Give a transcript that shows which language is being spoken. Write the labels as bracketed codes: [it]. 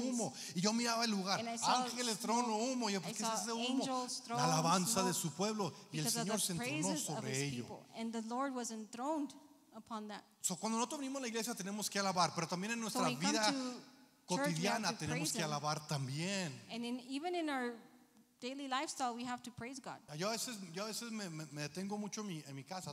[es] de humo y yo miraba el lugar ángeles, trono, humo y yo, ¿qué es ese humo? [en] Angels, thrones, [es] la alabanza [en] smoke, [es] de su pueblo y el Señor se entronó sobre ello [en] and the Lord was enthroned upon that. [es] So cuando nosotros venimos a la iglesia tenemos que alabar pero también en nuestra vida cotidiana tenemos que alabar también. [en] And in, even in our daily lifestyle, we have to praise God. [es] Yo a veces me detengo mucho en mi casa.